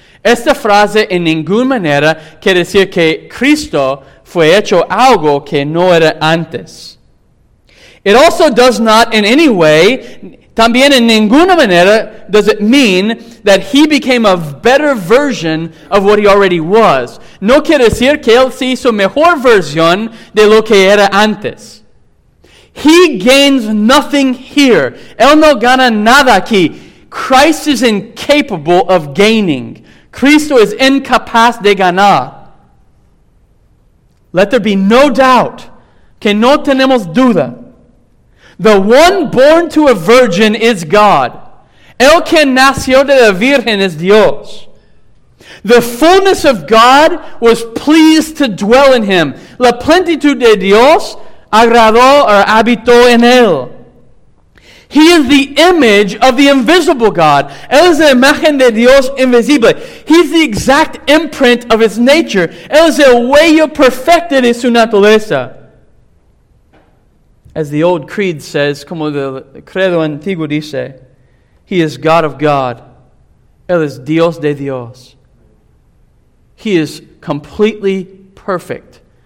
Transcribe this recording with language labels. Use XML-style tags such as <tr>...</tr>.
<es>Esta frase en ninguna manera quiere decir que Cristo fue hecho algo que no era antes.</es> <en>It also does not in any way,</en> <es>también en ninguna manera,</es> <en>does it mean that he became a better version of what he already was.</en> <es>No quiere decir que él se hizo mejor versión de lo que era antes.</es> <en>He gains nothing here.</en> <es>Él no gana nada aquí.</es> <en>Christ is incapable of gaining.</en> <es>Cristo es incapaz de ganar.</es> <en>Let there be no doubt.</en> <es>Que no tenemos duda.</es> <en>The one born to a virgin is God.</en> <es>El que nació de la Virgen es Dios.</es> <en>The fullness of God was pleased to dwell in him.</en> <es>La plenitud de Dios agradó or habitó en él.</es> <en>He is the image of the invisible God.</en> <es>Él es la imagen de Dios invisible.</es> <en>He's the exact imprint of his nature.</en> <es>Él es el huello perfecto de su naturaleza.</es> <en>As the old creed says,</en> <es>como el credo antiguo dice,</es> <en>he is God of God.</en> <es>Él es Dios de Dios.</es> <en>He is completely perfect.</en>